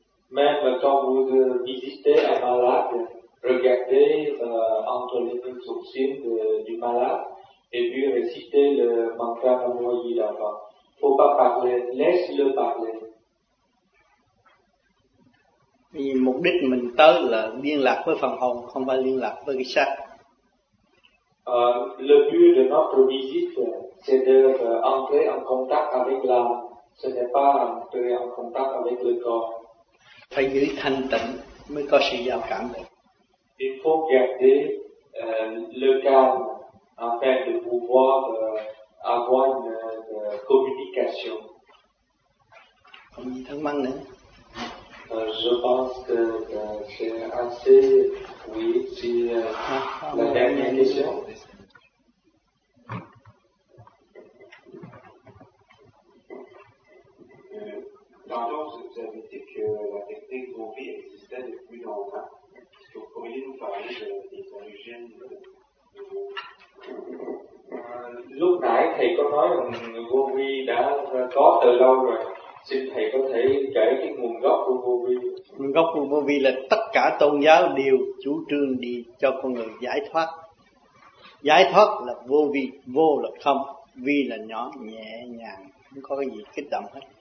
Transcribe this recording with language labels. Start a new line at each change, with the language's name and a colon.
French: Mais quand vous visitez un malade, regardez entre les deux sourcils du malade et puis récitez le mantra Nam Mô A Di Đà Phật. Faut pas parler, laisse-le parler.
Vietnamese: Vì mục đích mình tới là liên lạc với phần hồn, không phải liên lạc với cái xác.
French: Le but de notre visite, c'est d'entrer en contact avec l'âme, ce n'est pas entrer en contact avec le corps.
Vietnamese: Phải giữ thanh tịnh mới có sự giao cảm được.
French: Il faut garder le calme afin de pouvoir avoir une communication.
Vietnamese: Không gì thắc mắc nữa.
French: Je pense que c'est assez, oui, c'est la dernière question. Tantôt, vous avez dit que la technique Gobi existait depuis longtemps. Est-ce que vous pourriez nous parler des origines de
Vietnamese: Lúc nãy thầy có nói rằng Gobi đã có từ lâu rồi. Xin thầy có thể kể cái nguồn gốc của vô vi. Nguồn gốc của vô vi là tất cả tôn giáo đều chủ trương đi cho con người giải thoát. Giải thoát là vô vi, vô là không, vi là nhỏ, nhẹ nhàng, không có cái gì kích động hết.